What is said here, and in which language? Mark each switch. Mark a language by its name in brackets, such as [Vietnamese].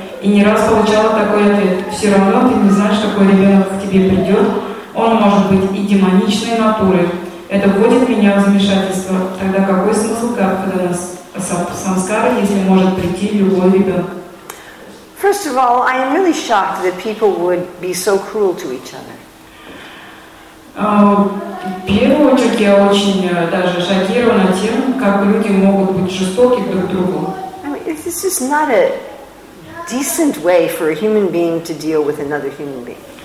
[Russian] И не раз получала такой ответ: все равно ты не знаешь, какой ребенок к тебе придет. Он может быть и демоничной натуры. Это вводит меня в замешательство. Тогда какой смысл гарбхадана самскара, если может прийти любой ребенок? [English] First of all, I am really shocked that people would be so cruel to each other. [Russian] В первую очередь я очень даже шокирована тем, как люди могут быть жестоки друг к другу. [English] This is not a decent way for a human being to deal with another human being.